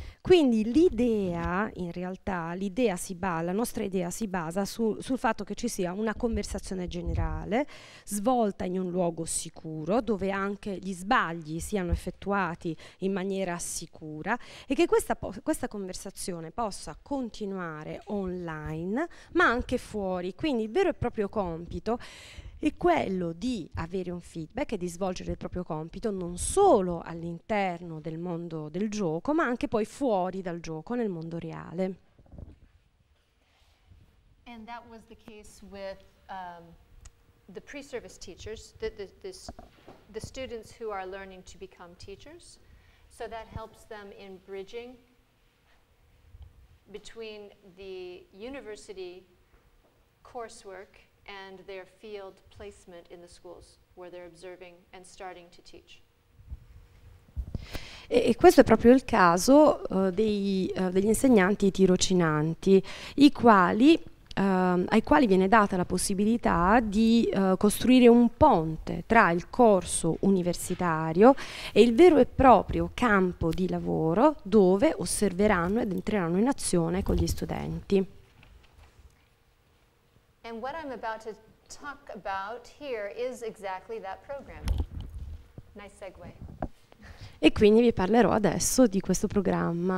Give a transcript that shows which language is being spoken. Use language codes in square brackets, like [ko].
[it] Quindi l'idea, in realtà, la nostra idea si basa sul fatto che ci sia una conversazione generale svolta in un luogo sicuro, dove anche gli sbagli siano effettuati in maniera sicura e che questa conversazione possa continuare online, ma anche fuori. Quindi il vero e proprio compito è quello di avere un feedback e di svolgere il proprio compito non solo all'interno del mondo del gioco, ma anche poi fuori dal gioco, nel mondo reale. [en] And that was the case with the pre-service teachers, the students who are learning to become teachers. So that helps them in bridging between the university coursework and their field placement in the schools where they're observing and starting to teach. [it] E questo è proprio il caso degli insegnanti tirocinanti, ai quali viene data la possibilità di costruire un ponte tra il corso universitario e il vero e proprio campo di lavoro dove osserveranno ed entreranno in azione con gli studenti. [en] And what I'm about to talk about here is exactly that program. Nice segue. [it] E quindi vi parlerò adesso di questo programma.